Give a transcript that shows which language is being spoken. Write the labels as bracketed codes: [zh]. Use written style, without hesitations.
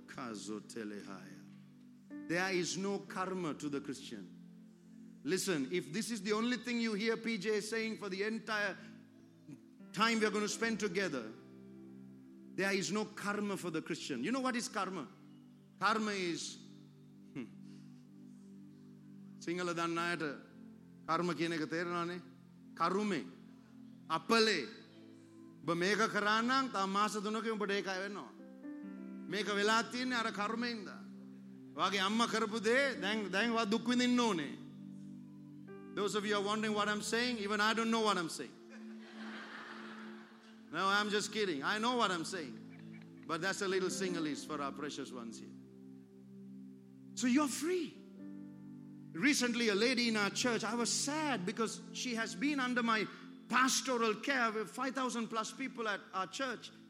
[en] Kazotelehai. There is no karma to the Christian. Listen, if this is the only thing you hear PJ saying for the entire time we are going to spend together, there is no karma for the Christian. You know what is karma? Karma is [si] Sinhala දන්න අයට කර්ම කියන එක තේරෙනවනේ කරුමේ අපලේ ඔබ මේක කරා නම් තව මාස 3කින් ඔබට ඒකයි වෙනවා මේක වෙලා තියෙන්නේ අර කර්මෙන්ද වාගේ අම්මා කරපු දේ දැන් දැන් වා දුක් විඳින්න ඕනේ [en] Those of you are wondering what I'm saying, even I don't know what I'm saying. No, I'm just kidding. I know what I'm saying. But that's a little singleness for our precious ones here. So you're free. Recently, a lady in our church, I was sad because she has been under my pastoral care with 5,000 plus people at our church.